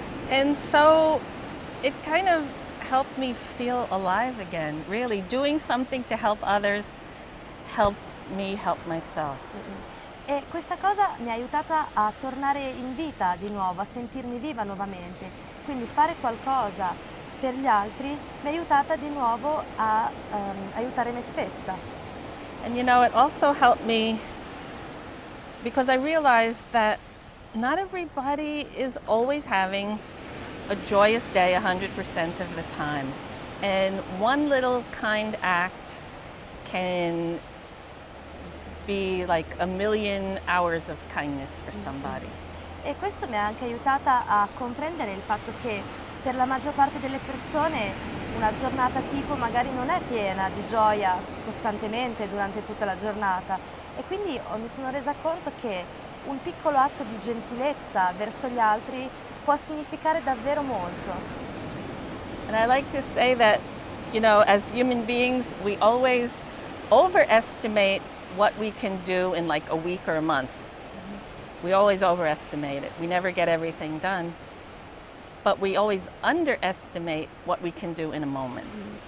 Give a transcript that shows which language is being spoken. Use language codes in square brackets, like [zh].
[en] And so it kind of helped me feel alive again, really. Doing something to help others helped me help myself. [it] E questa cosa mi ha aiutata a tornare in vita di nuovo, a sentirmi viva nuovamente. Quindi fare qualcosa per gli altri mi ha aiutata di nuovo a aiutare me stessa. [en] And you know, it also helped me because I realized that not everybody is always having a joyous day 100% of the time. And one little kind act can be like a million hours of kindness for somebody. [it] E questo mi ha anche aiutata a comprendere il fatto che per la maggior parte delle persone una giornata tipo magari non è piena di gioia costantemente durante tutta la giornata. E quindi mi sono resa conto che un piccolo atto di gentilezza verso gli altri può significare davvero molto. [en] And I like to say that, you know, as human beings, we always overestimate what we can do in like a week or a month. We always overestimate it. We never get everything done. But we always underestimate what we can do in a moment.